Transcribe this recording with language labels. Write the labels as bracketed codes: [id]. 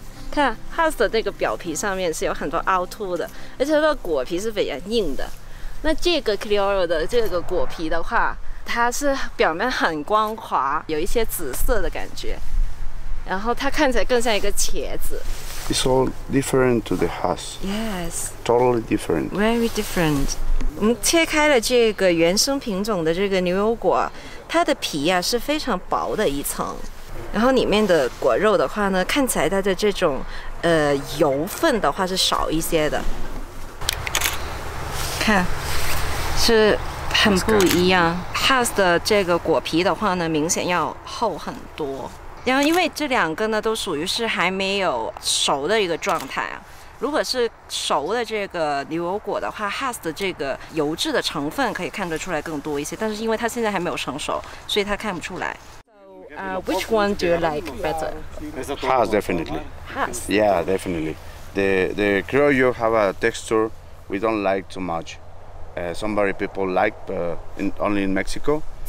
[zh] 看 Hass 的这个表皮上面是有很多凹凸的，而且它的果皮是比较硬的。那这个 Criollo 的这个果皮的话，它是表面很光滑，有一些紫色的感觉，然后它看起来更像一个茄子。 [en] It's all different to the Hass. Yes. Totally different. Very different. [zh] 我们切开了这个原生品种的这个牛油果，它的皮啊是非常薄的一层，然后里面的果肉的话呢，看起来它的这种油分的话是少一些的。看，是很不一样。Hass 的这个果皮的话呢，明显要厚很多。然后因为这两个呢都属于是还没有熟的一个状态，如果是熟的这个牛油果的话， Hass 的这个油脂的成分可以看得出来更多一些，但是因为它现在还没有成熟，所以它看不出来。 [en] So, which one do you like better? Hass, definitely. Hass? Yeah, definitely. The Criollo have a texture we don't like too much. Somebody people like, but only in Mexico.